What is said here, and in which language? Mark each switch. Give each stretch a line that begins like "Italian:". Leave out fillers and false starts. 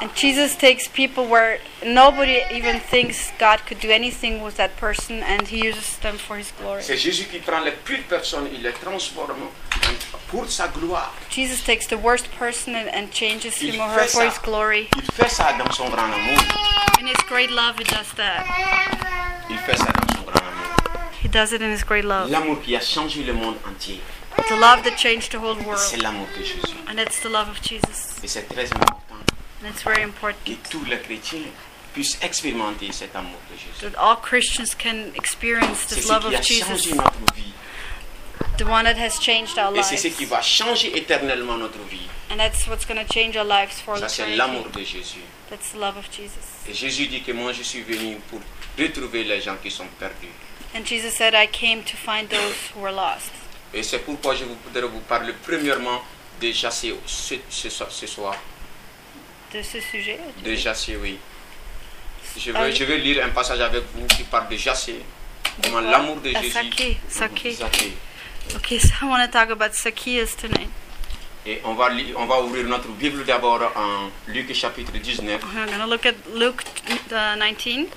English: And Jesus takes people where nobody even thinks God could do anything with that person and he uses them for his glory.
French: C'est Jésus qui prend les pires personnes, il les transforme pour sa gloire.
English: Jesus takes the worst person and changes him or her for his glory.
French: Il fait ça dans son grand amour.
English: In his great love, he does that.
French: Il fait ça dans son grand amour.
English: He does it in his great love.
French: L'amour qui a changé le monde entier.
English: The love that changed the whole world.
French: C'est l'amour de Jésus.
English: And it's the love of Jesus.
French: Et c'est très important.
English: And it's very important.
French: Que tous les chrétiens puissent expérimenter cet amour de Jésus.
English: That all Christians can experience this
French: c'est
English: love of Jesus.
French: C'est ce qui a changé notre vie.
English: The one that has changed our lives.
French: Et c'est ce qui va changer éternellement notre vie.
English: And that's what's going to change our lives for
French: ça,
English: eternity.
French: C'est l'amour de Jésus.
English: That's the love of Jesus.
French: Et Jésus dit que moi je suis venu pour retrouver les gens qui sont perdus.
English: And Jesus said, I came to find those who were lost.
French: Et c'est pourquoi je voudrais vous parler premièrement de Jassé ce soir. De ce sujet? De Jassé, oui. Je vais lire un passage avec vous qui parle de Jassé. Comment l'amour de Jésus. Zaché.
English: Okay, so I want to talk about Zacchaeus tonight.
French: Et on va ouvrir notre Bible d'abord en Luc chapitre 19.
English: We're going to look at Luke 19.